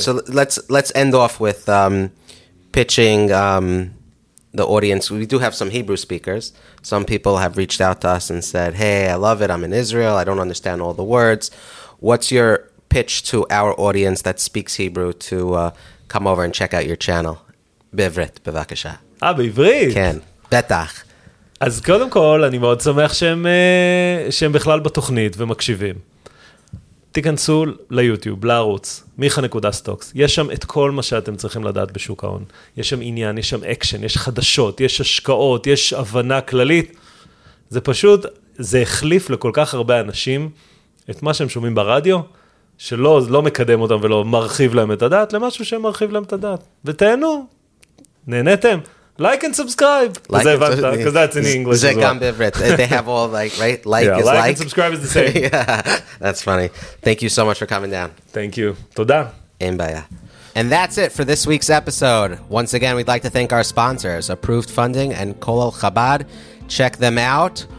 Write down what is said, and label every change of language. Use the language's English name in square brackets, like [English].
[English] So let's end off with pitching the audience. We do have some Hebrew speakers. Some people have reached out to us and said, "Hey, I love it. I'm in Israel. I don't understand all the words. What's your pitch to our audience that speaks Hebrew to come over and check out your channel?" [Hebrew] Bivrit, bevakasha. Ah, bivrit. Ken, betach. אז קודם כל, אני מאוד שמח שהם בכלל בתוכנית ומקשיבים. תיכנסו ליוטיוב, לערוץ, micha.stocks. יש שם את כל מה שאתם צריכים לדעת בשוק ההון. יש שם עניין, יש שם אקשן, יש חדשות, יש השקעות, יש הבנה כללית. זה פשוט, זה החליף לכל כך הרבה אנשים את מה שהם שומעים ברדיו, שלא מקדם אותם ולא מרחיב להם את הדעת, למשהו שמרחיב להם את הדעת. ותהנו, נהניתם, [English] like and subscribe. Like, because that's in English. [Hebrew] זה גם בעברית. [English] They have all like, right? Like is like. Like and subscribe is the same. Yeah, that's funny. Thank you so much for coming down. Thank you. [Hebrew] תודה. אין בעיה. [English] And that's it for this week's episode. Once again, we'd like to thank our sponsors, Approved Funding and Kolel Chabad. Check them out.